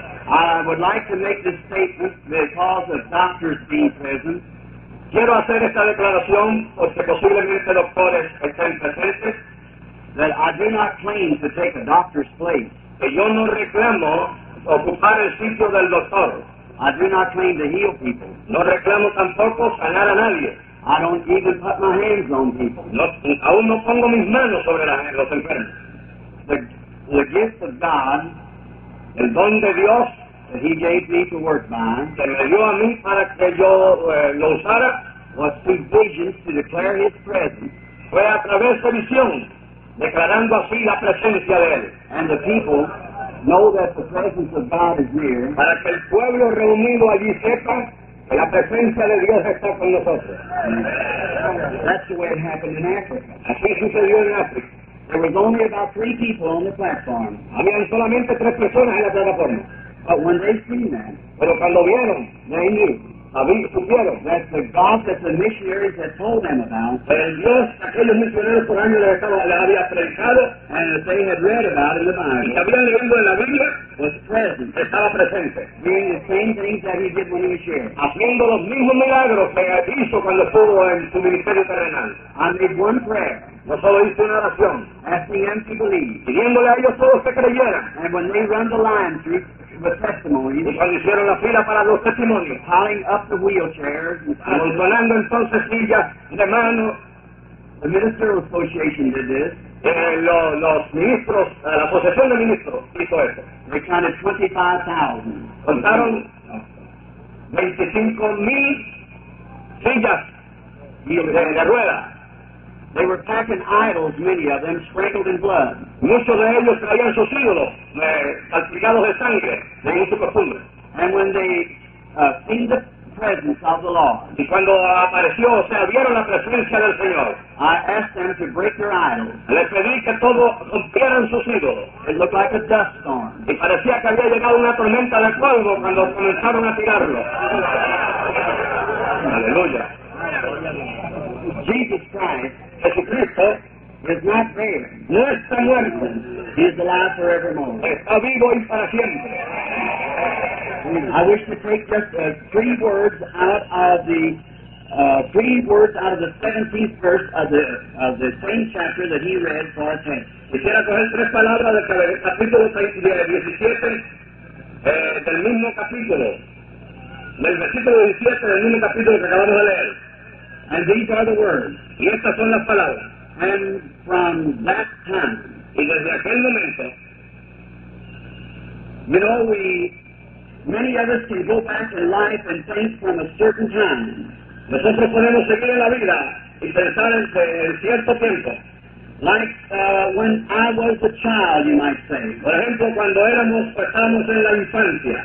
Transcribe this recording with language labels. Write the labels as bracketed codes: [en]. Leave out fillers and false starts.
[en] I would like to make this statement because of doctors being present. [es] Quiero hacer esta declaración porque posiblemente doctores estén presentes. [en] That I do not claim to take a doctor's place. [es] Que yo no reclamo ocupar el sitio del doctor. [en] I do not claim to heal people. [es] No reclamo tampoco sanar a nadie. [en] I don't even put my hands on people. [es] No, aún no pongo mis manos sobre los enfermos. [en] The gift of God, [es] el don de Dios, [en] that he gave me to work by, [es] que me dio a mí para que yo lo usara, [en] was through visions to declare his presence. [es] Fue a través de visión, declarando así la presencia de él. [en] And the people know that the presence of God is near. [es] Para que el pueblo reunido allí sepa que la presencia de Dios está con nosotros. [en] That's the way it happened in Africa. [es] Así sucedió en África. [en] There was only about three people on the platform. [es] Habían solamente tres personas en la plataforma. [en] But when they seen that, [es] pero cuando vieron, [en] they knew. [es] Supieron. [en] That the God that the missionaries had told them about. [es] El Dios, aquellos misioneros por años les había predicado. [en] And that they had read about in the Bible. [es] Y habían leído en la Biblia. [en] Was present. [es] Estaba presente. [en] Doing the same things that he did when he was here. [es] Haciendo los mismos milagros que hizo cuando estuvo en su ministerio terrenal. [en] I made one prayer. [es] No solo hice una oración. [en] Asking them to believe. [es] Pidiéndole a ellos todos que creyeran. [en] And when they run the line through. The testimony. [es] Y cuando hicieron la fila para los testimonios, [en] piling up the wheelchairs, [es] amontonando entonces sillas de mano. [en] The ministerial association did this. [es] Los ministros, la asociación de ministros hizo esto. [en] They counted 25,000. [es] Contaron 25,000 sillas de ruedas. [en] They were packing idols, many of them, sprinkled in blood. [es] Muchos de ellos traían sus ídolos, salpicados de sangre, según su costumbre. [en] And when they seen the presence of the Lord, [es] y cuando apareció, o sea, vieron la presencia del Señor, [en] I asked them to break their idols. [es] Les pedí que todos rompieran sus ídolos. [en] It looked like a dust storm. [es] Y parecía que había llegado una tormenta de polvo cuando comenzaron a tirarlo. Aleluya. [en] Jesus Christ, [es] Jesucristo, [en] is not dead. [es] No está muerto. [en] He is alive forevermore. [es] Está vivo y para siempre. [en] I wish to take just three words out of the three words out of the 17th verse of the same chapter that he read for our text. [es] Quisiera coger tres palabras del capítulo 17 del mismo capítulo. Del versículo 17 del mismo capítulo que acabamos de leer. [en] And these are the words. [es] Y estas son las palabras. [en] And from that time. [es] Y desde aquel momento. [en] You know, many of us can go back in life and think from a certain time. [es] Nosotros podemos seguir en la vida y pensar en cierto tiempo. [en] Like when I was a child, you might say. [es] Por ejemplo, cuando éramos, estábamos en la infancia.